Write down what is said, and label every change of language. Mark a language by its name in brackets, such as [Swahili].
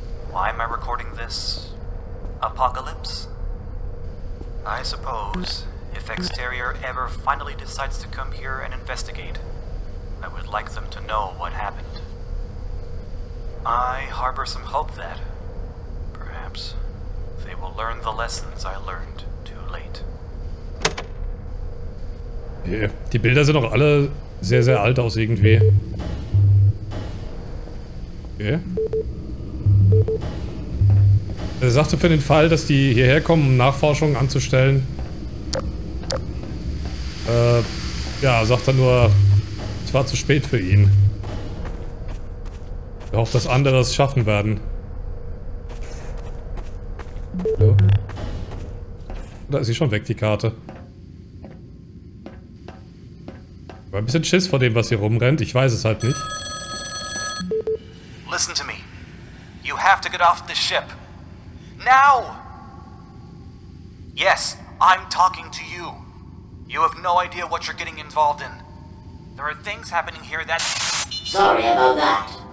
[English] Why am I recording this? Apocalypse? I suppose, if Exterior ever finally decides to come here and investigate, I would like them to know what happened. I harbor some hope that, perhaps, they will learn the lessons I learned too late. [German] Die Bilder sind auch alle sehr, sehr alt aus irgendwie. Er sagte für den Fall, dass die hierher kommen, um Nachforschungen anzustellen. Sagt er nur, es war zu spät für ihn. Er hofft, dass andere es schaffen werden. Hallo? Da ist sie schon weg, die Karte. War ein bisschen Schiss vor dem, was hier rumrennt. Ich weiß es halt nicht. [English] Listen to me. You have to get off the ship. Now! Yes, I'm talking to you. You have no idea what you're getting involved in. There are things happening here that... Sorry about that.